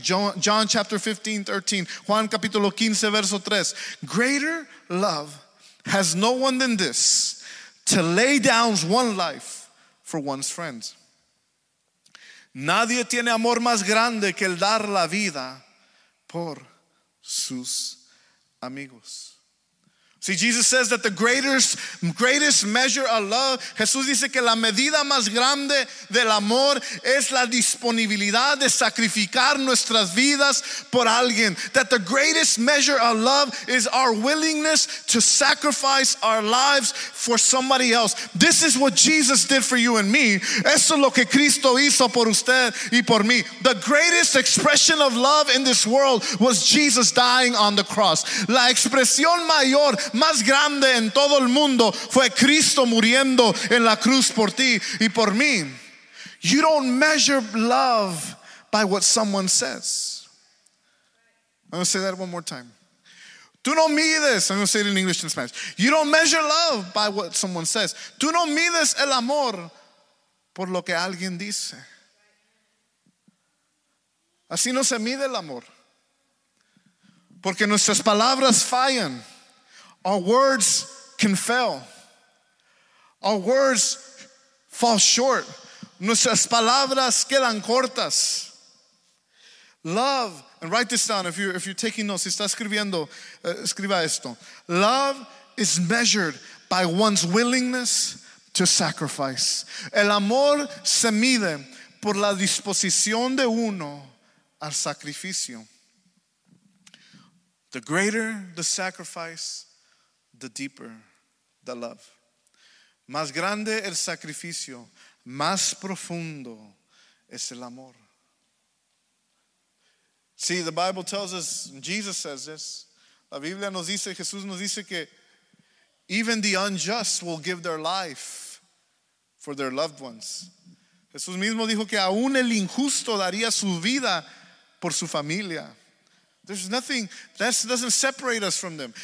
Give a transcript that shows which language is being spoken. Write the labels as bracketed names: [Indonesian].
[English] John chapter 15, 13. [Spanish] Juan capítulo 15, verso 3. [English] Greater love has no one than this, to lay down one life for one's friends. [Spanish] Nadie tiene amor más grande que el dar la vida por sus amigos. [English] See, Jesus says that the greatest measure of love, [Spanish] Jesús dice que la medida más grande del amor es la disponibilidad de sacrificar nuestras vidas por alguien. [English] That the greatest measure of love is our willingness to sacrifice our lives for somebody else. This is what Jesus did for you and me. [Spanish] Eso es lo que Cristo hizo por usted y por mí. [English] The greatest expression of love in this world was Jesus dying on the cross. [Spanish] La expresión mayor, más grande en todo el mundo, fue Cristo muriendo en la cruz por ti y por mí. [English] You don't measure love by what someone says. I'm going to say that one more time. [Spanish] Tú no mides, [English] I'm going to say it in English and Spanish. You don't measure love by what someone says. [Spanish] Tú no mides el amor por lo que alguien dice. Así no se mide el amor. Porque nuestras palabras fallan. [English] Our words can fail. Our words fall short. [Spanish] Nuestras palabras quedan cortas. [English] Love, and write this down if you're taking notes. [Spanish] Si está escribiendo, escriba esto. [English] Love is measured by one's willingness to sacrifice. [Spanish] El amor se mide por la disposición de uno al sacrificio. [English] The greater the sacrifice, the deeper the love. [Spanish] Más grande el sacrificio, más profundo es el amor. [English] See, the Bible tells us, Jesus says this. [Spanish] La Biblia nos dice, Jesús nos dice que [English] even the unjust will give their life for their loved ones. [Spanish] Jesús mismo dijo que aún el injusto daría su vida por su familia. [English] There's nothing that doesn't separate us from them.